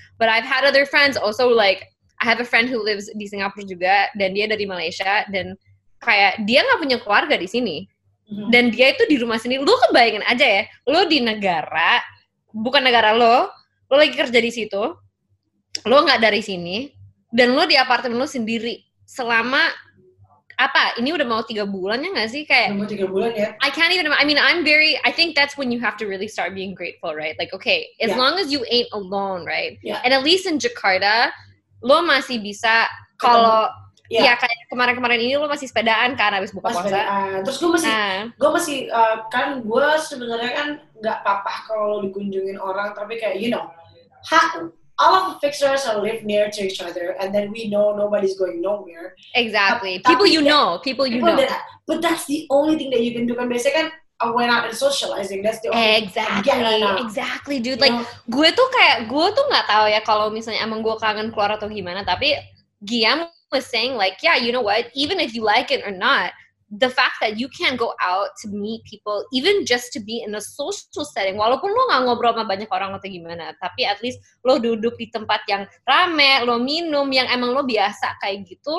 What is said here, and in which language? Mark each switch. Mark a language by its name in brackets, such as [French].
[English] But I've had other friends also like. I have a friend who lives [Indonesian] di Singapura juga, dan dia dari Malaysia, dan kayak dia nggak punya keluarga di sini, dan dia itu di rumah sendiri. Lu kebayangin aja ya, lu di negara bukan negara lu lagi kerja di situ, lu nggak dari sini, dan lu di apartemen lu sendiri selama apa? Ini udah mau 3 bulan ya nggak sih kayak? Udah mau 3 bulan ya. [English] I can't even. I mean, I think that's when you have to really start being grateful, right? Like, okay, as long as you ain't alone, right? Yeah. And at least in Jakarta. [Indonesian] Lo masih bisa kalau ya kayak kemarin-kemarin ini lo masih sepedaan kan abis buka puasa. Terus gue masih kan gue sebenarnya kan nggak apa-apa kalau lo dikunjungin orang, tapi kayak [English] you know, all of the fixtures are live near to each other and then we know nobody's going nowhere. Exactly. People you know. But that's the only thing that you can do [Indonesian] kan biasanya kan. [English] I went out and socializing. That's the only exactly, dude. Like, yeah. [Indonesian] gue tuh nggak tahu ya kalau misalnya emang gue kangen keluar atau gimana. [English] Tapi Giam was saying like, yeah, you know what? Even if you like it or not, the fact that you can't go out to meet people, even just to be in a social setting, [Indonesian] walaupun lo nggak ngobrol sama banyak orang atau gimana, tapi at least lo duduk di tempat yang rame, lo minum yang emang lo biasa kayak gitu.